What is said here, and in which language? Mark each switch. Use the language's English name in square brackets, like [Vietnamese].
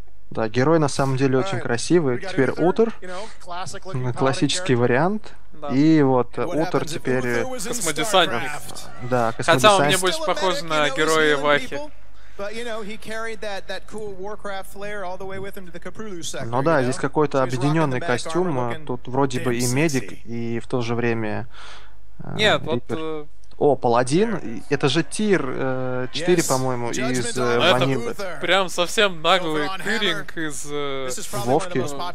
[Russian] Да, герой на самом деле очень красивый. Теперь Утер, классический вариант. И вот Утер теперь... Космодесантник. Да, космодесантник. Хотя он мне больше похож на героя Вахи. [English] But you know he carried that cool Warcraft flair all the way with him to the Kaprulu sector. [Russian] Ну да, здесь какой-то объединенный костюм, тут вроде бы и медик, и в то же время. Нет, вот. О, паладин, это же Тир 4, по-моему, из Ванилы. Прям совсем наглый Тиринг из Вовки.